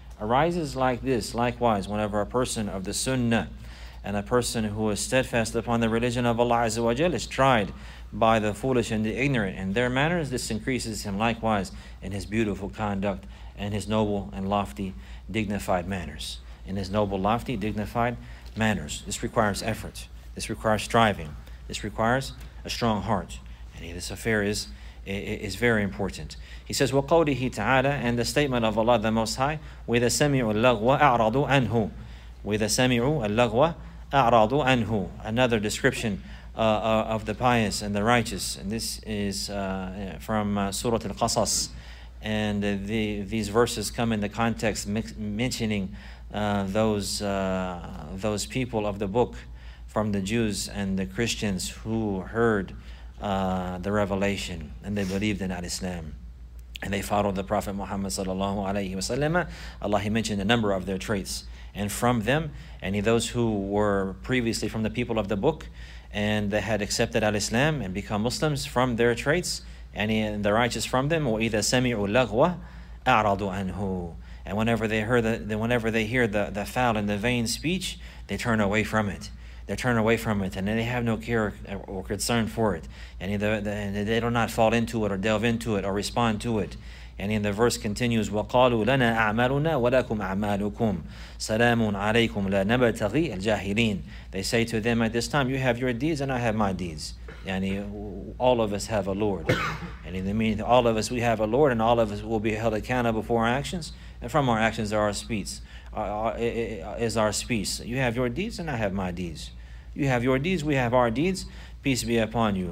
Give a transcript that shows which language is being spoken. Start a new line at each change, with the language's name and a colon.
English: arises like this. Likewise, whenever a person of the Sunnah and a person who is steadfast upon the religion of Allah Azza wa Jalla is tried by the foolish and the ignorant in their manners, this increases him likewise in his beautiful conduct and his noble and lofty, dignified manners. In his noble, lofty, dignified manners. This requires effort. This requires striving. This requires a strong heart. And this affair is very important. He says,
Arabic: وَقَوْلِهِ تَعَالَى,
English: and the statement of Allah the Most High,
Arabic: وَإِذَا سَمِعُوا اللَّغْوَ أَعْرَضُوا عَنْهُ, وَإِذَا سَمِعُوا اللَّغْوَ أَعْرَضُوا عَنْهُ.
English: Another description of the pious and the righteous. And this is from Surah Al-Qasas. And these verses come in the context mentioning those people of the book from the Jews and the Christians who heard the revelation and they believed in al-Islam and they followed the Prophet Muhammad sallallahu alayhi wa sallam. Allah, he mentioned a number of their traits, and from them, any those who were previously from the people of the book and they had accepted al-Islam and become Muslims, from their traits, any the righteous from them,
Arabic: وَإِذَا سَمِعُوا لَغْوَ أَعْرَضُوا عَنْهُ,
English: and whenever they hear the foul and the vain speech, they turn away from it. They turn away from it, and they have no care or concern for it. And they do not fall into it or delve into it or respond to it. And in the verse continues,
Arabic: وَقَالُوا لَنَا أَعْمَالُنَا وَلَكُمْ أَعْمَالُكُمْ سَلَامٌ عَلَيْكُمْ لَا نَبْتَغِي الْجَاهِلِينَ.
English: They say to them, at this time, you have your deeds and I have my deeds. And all of us have a Lord. And in the meaning, all of us, we have a Lord, and all of us will be held accountable for our actions. And from our actions are our speech. Is our speech. You have your deeds and I have my deeds. You have your deeds, we have our deeds. Peace be upon you.